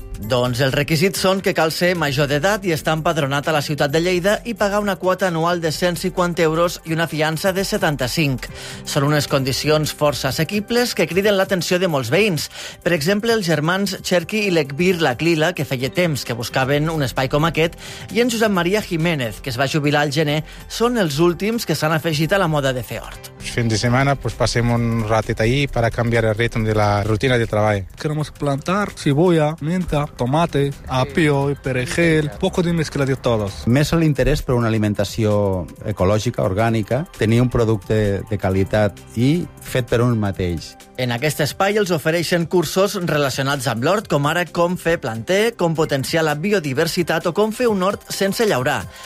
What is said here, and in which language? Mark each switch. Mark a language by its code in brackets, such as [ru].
[ca] Doncs els requisits són que cal ser major d'edat i estar empadronat a la ciutat de Lleida i pagar una quota anual de 150 euros i una fiança de 75. Són unes condicions força assequibles que criden l'atenció de molts veïns. Per exemple, els germans Cherky i l'Ekbir Laklila, que feia temps que buscaven un espai com aquest, i en Josep Maria Jiménez, que es va jubilar al gener, són els últims que s'han afegit a la moda de fer hort. [es] los fines de semana pues pasemos un ratito ahí para cambiar el ritmo de la rutina de trabajo. Queremos plantar cebolla, menta, tomate, apio, perejil, poco de mezcla de todos. [ca] Més l'interès per una alimentació ecològica, orgànica, tenir un producte de qualitat i fet per un mateix. En aquest espai els ofereixen cursos relacionats amb l'hort, com ara com fer planter, com potenciar la biodiversitat o com fer un hort sense llaurar.